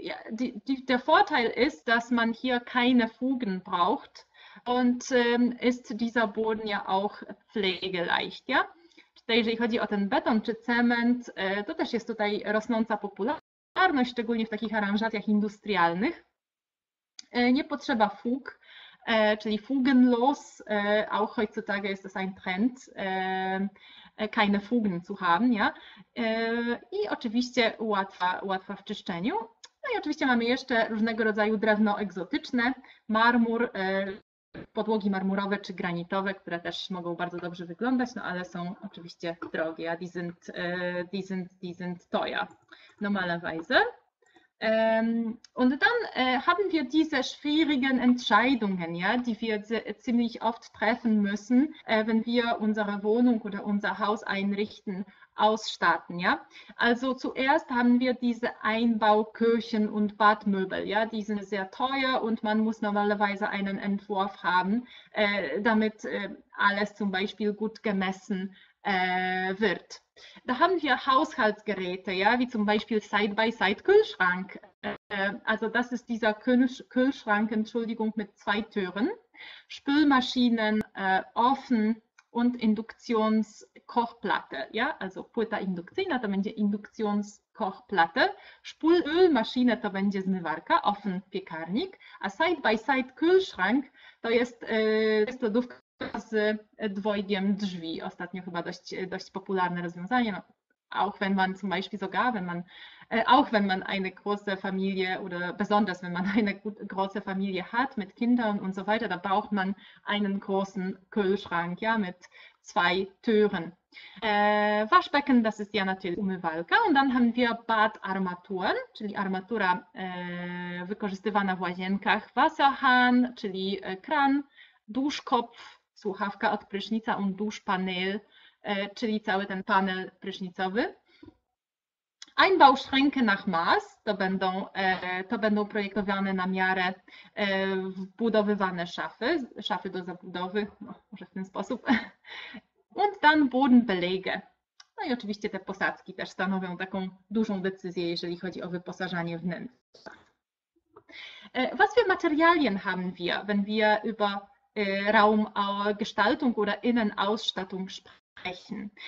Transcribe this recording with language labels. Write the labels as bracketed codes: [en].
[de] Der Vorteil ist, dass man hier keine Fugen braucht. Und ist dieser Boden ja auch pflegeleicht, ja? [pl] Tutaj, jeżeli chodzi o ten beton czy cement, to też jest tutaj rosnąca popularność, szczególnie w takich aranżacjach industrialnych. Nie potrzeba fug, czyli [de] fugenlos, auch heutzutage ist das ein Trend, keine Fugen zu haben, ja? [pl] I oczywiście łatwa w czyszczeniu. No i oczywiście mamy jeszcze różnego rodzaju drewno egzotyczne, marmur, podłogi marmurowe czy granitowe, które też mogą bardzo dobrze wyglądać, no ale są oczywiście drogie, [de] ja die sind teuer, normalerweise. Und dann haben wir diese schwierigen Entscheidungen, ja, die wir ziemlich oft treffen müssen, wenn wir unsere Wohnung oder unser Haus einrichten, ausstatten, ja. Also zuerst haben wir diese Einbauküchen und Badmöbel, ja, die sind sehr teuer und man muss normalerweise einen Entwurf haben, damit alles zum Beispiel gut gemessen wird. Da haben wir Haushaltsgeräte, ja, wie zum Beispiel Side-by-Side-Kühlschrank. Also das ist dieser Kühlschrank, Entschuldigung, mit zwei Türen, Spülmaschinen, Ofen und Induktionskochplatte, ja, also [pl] płyta indukcyjna to będzie [de] Induktionskochplatte, Spülmaschine [pl] to będzie zmywarka, [de] Ofen, piekarnik, a Side-by-Side-Kühlschrank [pl] to jest lodówka z dwojgiem drzwi. Ostatnio chyba dość popularne rozwiązanie. [de] Auch wenn man zum Beispiel sogar, wenn man, auch wenn man eine große Familie oder besonders wenn man eine große Familie hat mit Kindern und so weiter, da braucht man einen großen Kühlschrank, ja, mit zwei Türen. Waschbecken, das ist ja natürlich Umywalka. Und dann haben wir Badarmaturen, [pl] czyli armatura wykorzystywana w łazienkach. Wasserhahn, czyli kran. Duschkopf, słuchawka od prysznica und Duschpanel, czyli cały ten panel prysznicowy. [de] Einbauschränke nach Maß, [pl] to będą projektowane na miarę, wbudowywane szafy do zabudowy, no, może w ten sposób. [de] Und dann Bodenbelege. [pl] No i oczywiście te posadzki też stanowią taką dużą decyzję, jeżeli chodzi o wyposażanie wnętrza. [de] Was für Materialien haben wir, wenn wir über Raumgestaltung oder Innenausstattung sprechen.